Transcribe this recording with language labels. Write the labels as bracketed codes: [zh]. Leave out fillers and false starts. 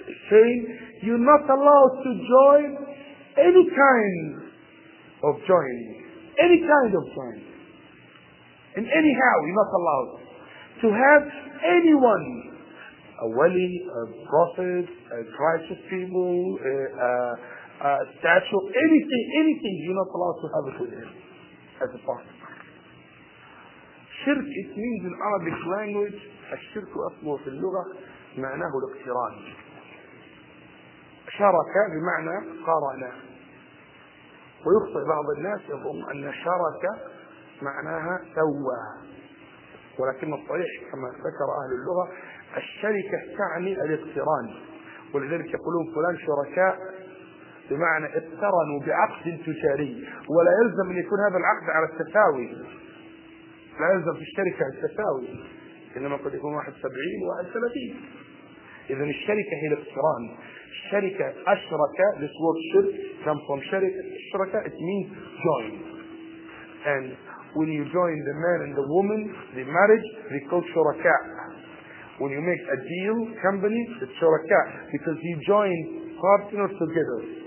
[en] saying you're not allowed to join any kind of joining, any kind of joining, and anyhow you're not allowed to have anyone, a wali, a prophet, a righteous people, a statue, anything, anything, you're not allowed to have it with him as a partner. Shirk, it means in Arabic language, [ar] الشرك أصله في اللغة معناه الاقتران. شرك بمعنى قارن. ويخطئ بعض الناس يظن أن شرك معناها سوى، ولكن الصحيح كما ذكر أهل اللغة الشركة تعني الاقتران، ولذلك يقولون فلان شركاء بمعنى اقترنوا بعقد تجاري، ولا يلزم أن يكون هذا العقد على التساوي، لا يلزم في الشركة على التساوي، إنما قد يكون 71 و30. إذن الشركة هي الاقتران. الشركة أشركة [en] this word should come from [ar] شركة الشركة [en] it means join. And when you join the man and the woman, the marriage, they call شركاء. When you make a deal, company, it's shuraka, because you join partners together.